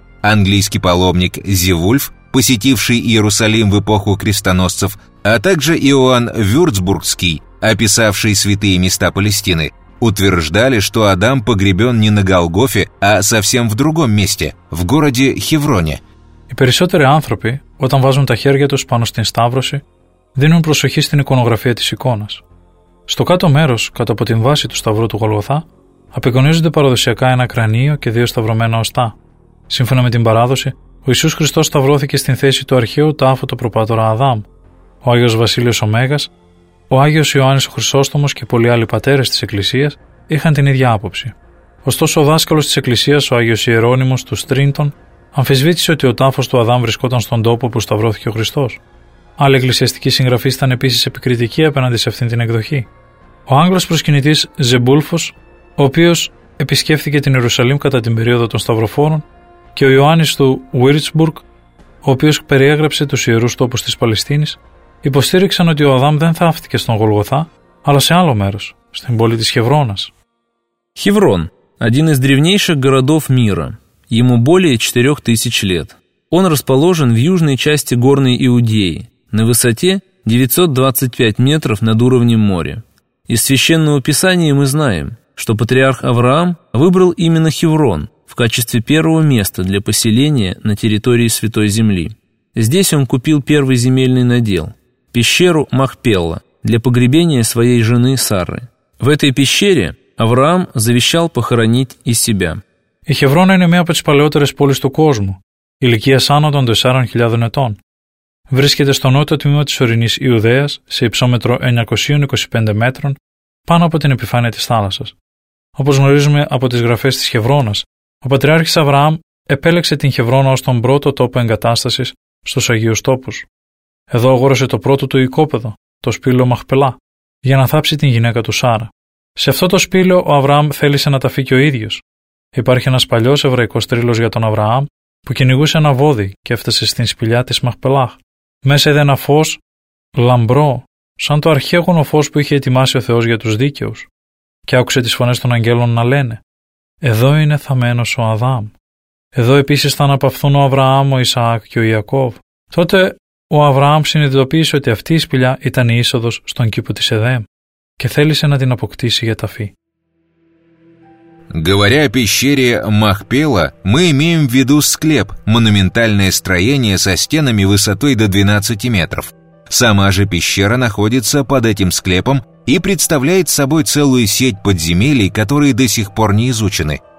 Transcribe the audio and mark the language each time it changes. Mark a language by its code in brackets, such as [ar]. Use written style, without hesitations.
[ru] Английский паломник Зевульф, посетивший Иерусалим в эпоху крестоносцев, а также Иоанн Вюрцбургский, описавший святые места Палестины, утверждали, что Адам погребен не на Голгофе, а совсем в другом месте, в городе Хевроне. [el] Οι περισσότεροι άνθρωποι, όταν βάζουν τα χέρια τους πάνω στην Σταύρωση, δίνουν προσοχή στην εικονογραφία της εικόνας. Στο κάτω μέρος, κάτω από την βάση του Σταυρού του Γολγοθά, απεικονίζονται παραδοσιακά ένα κρανίο και δύο σταυρωμένα οστά. Σύμφωνα με την παράδοση, ο Ιησούς Χριστός σταυρώθηκε στην θέση του αρχαίου τάφου του προπάτορα Αδάμ, ο Άγιος Βασίλειος ο Μέγας, ο Άγιος Ιωάννης ο Χρυσόστομος και πολλοί άλλοι πατέρες της Εκκλησίας είχαν την ίδια άποψη. Ωστόσο, ο δάσκαλος της Εκκλησίας, ο Άγιος Ιερώνυμος του Στρίντον, αμφισβήτησε ότι ο τάφος του Αδάμ βρισκόταν στον τόπο που σταυρώθηκε ο Χριστός. Άλλοι εκκλησιαστικοί συγγραφείς ήταν επίσης επικριτικοί απέναντι σε αυτήν την εκδοχή. Ο Άγγλος προσκυνητής Ζεμπούλφος, ο οποίος επισκέφθηκε την Ιερουσαλήμ κατά την περίοδο των Σταυροφόρων, και ο Ιωάννης του Βίρτσμπουργκ, ο οποίος περιέγραψε τους ιερούς τόπους της Παλαιστίνης, υποστήριξαν ότι ο Αδάμ δεν θαύτηκε στον Γολγοθά, αλλά σε άλλο μέρος, στην πόλη της Χεβρώνας. [ru] Χεβρόν, один из древнейших городов мира. Ему более 4000 лет. Он расположен в южной части горной Иудеи, на высоте 925 метров над уровнем моря. Из Священного Писания мы знаем, что патриарх Авраам выбрал именно Хеврон в качестве первого места для поселения на территории Святой Земли. Здесь он купил первый земельный надел – пещеру Махпелла для погребения своей жены Сары. В этой пещере Авраам завещал похоронить и себя. [el] Η Χεβρώνα είναι μία από τις παλαιότερες πόλεις του κόσμου, ηλικία άνω των 4.000 ετών. Βρίσκεται στο νότιο τμήμα της ορεινής Ιουδαίας, σε υψόμετρο 925 μέτρων, πάνω από την επιφάνεια της θάλασσας. Όπως γνωρίζουμε από τις γραφές της Χεβρώνας, ο Πατριάρχης Αβραάμ επέλεξε την Χεβρώνα ως τον πρώτο τόπο εγκατάστασης στους Αγίους Τόπους. Εδώ αγόρασε το πρώτο του οικόπεδο, το σπήλαιο Μαχπελά, για να θάψει την γυναίκα του Σάρα. Σε αυτό το σπήλαιο ο Αβραάμ θέλησε να ταφεί και ο ίδιος. Υπάρχει ένας παλιός εβραϊκός τρίλος για τον Αβραάμ που κυνηγούσε ένα βόδι και έφτασε στην σπηλιά της Μαχπελάχ. Μέσα είδε ένα φως λαμπρό, σαν το αρχαίγωνο φως που είχε ετοιμάσει ο Θεός για τους δίκαιους, και άκουσε τις φωνές των αγγέλων να λένε: «Εδώ είναι θαμμένος ο Αδάμ. Εδώ επίσης θα αναπαυθούν ο Αβραάμ, ο Ισαάκ και ο Ιακώβ». Τότε ο Αβραάμ συνειδητοποίησε ότι αυτή η σπηλιά ήταν η είσοδος στον κήπο της Εδέμ και θέλησε να την αποκτήσει για ταφή. [ru] Говоря о пещере Махпела, мы имеем в виду склеп, монументальное строение со стенами высотой до 12 метров. Сама же пещера находится под этим склепом и представляет собой целую сеть подземелий, которые до сих пор не изучены.